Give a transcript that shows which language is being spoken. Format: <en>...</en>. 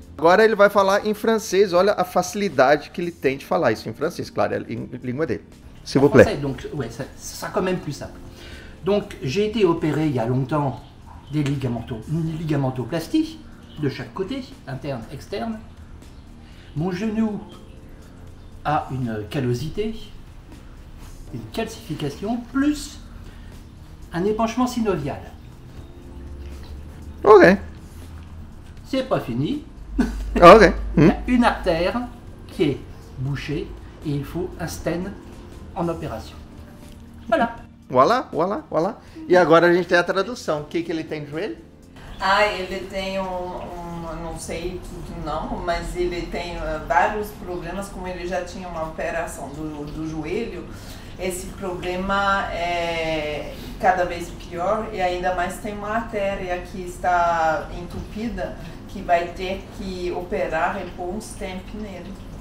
<pt>Agora ele vai falar em francês, olha a facilidade que ele tem de falar isso em francês, claro, é a língua dele.</pt> <fr>S'il vous plaît. Donc, ouais, ça sera quand même plus simple. Donc, j'ai été opéré il y a longtemps des ligamentoplasties de chaque côté, interne, externe. Mon genou a une callosité, une calcification, plus un épanchement synovial. Ok. C'est pas fini. Ok. Il y a une artère qui est bouchée et il faut un stent.</fr> <pt>Na operação.</pt> <fr>Voilà. Voilà.</fr> <pt>E agora a gente tem a tradução. O que, que ele tem de joelho? Ah, ele tem não sei tudo não, mas ele tem vários problemas, como ele já tinha uma operação do joelho. Esse problema é cada vez pior e ainda mais tem uma artéria que está entupida, que vai ter que operar e pôr um stent nele.</pt>